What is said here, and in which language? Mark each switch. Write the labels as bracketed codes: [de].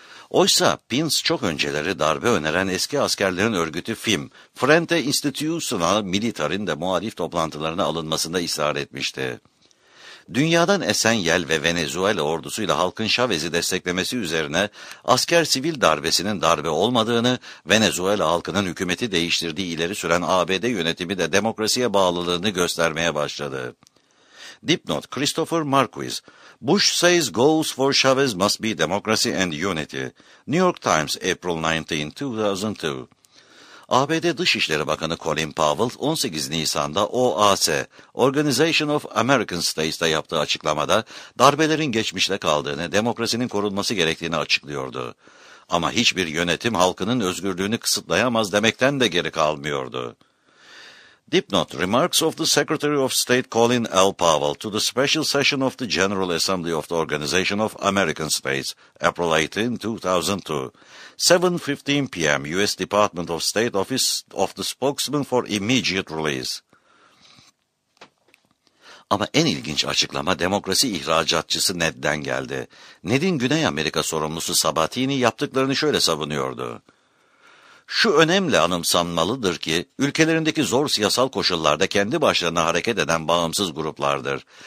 [tr] Oysa Ponce çok önceleri darbe öneren eski askerlerin örgütü FIM, Frente Institucional Militar'ın da muhalif toplantılarına alınmasında ısrar etmişti. Dünyadan esen yel ve Venezuela ordusuyla halkın Chavez'i desteklemesi üzerine asker sivil darbesinin darbe olmadığını, Venezuela halkının hükümeti değiştirdiği ileri süren ABD yönetimi de demokrasiye bağlılığını göstermeye başladı. Dipnot: [en] Christopher Marquis, Bush says goals for Chavez must be democracy and unity. New York Times, April 19, 2002. [tr] ABD Dışişleri Bakanı Colin Powell, 18 Nisan'da OAS, Organization of American States'ta yaptığı açıklamada, darbelerin geçmişte kaldığını, demokrasinin korunması gerektiğini açıklıyordu. Ama hiçbir yönetim halkının özgürlüğünü kısıtlayamaz demekten de geri kalmıyordu. [en] Dipnot: Remarks of the Secretary of State Colin L. Powell to the Special Session of the General Assembly of the Organization of American States, April 18, 2002, 7:15 p.m. U.S. Department of State Office of the Spokesman for Immediate Release. [tr] Ama en ilginç açıklama demokrasi ihracatçısı Ned'den geldi. Ned'in Güney Amerika sorumlusu Sabatini yaptıklarını şöyle savunuyordu: şu önemli anımsanmalıdır ki, ülkelerindeki zor siyasal koşullarda kendi başlarına hareket eden bağımsız gruplardır.